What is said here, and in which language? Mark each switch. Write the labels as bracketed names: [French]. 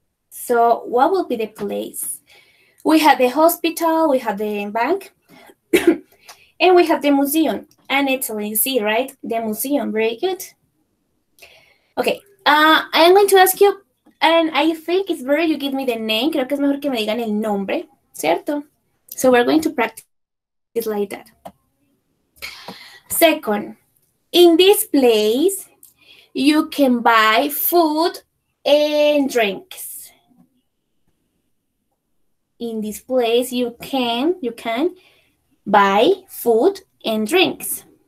[English] So what will be the place? We have the hospital, we have the bank, and we have the museum. And it's in C, right? The museum, very good. Okay, I'm going to ask you, and I think it's better you give me the name. [Spanish] Creo que es mejor que me digan el nombre, ¿cierto? [English] So we're going to practice it like that. Second, in this place, you can buy food and drinks. In this place, you can buy food and drinks.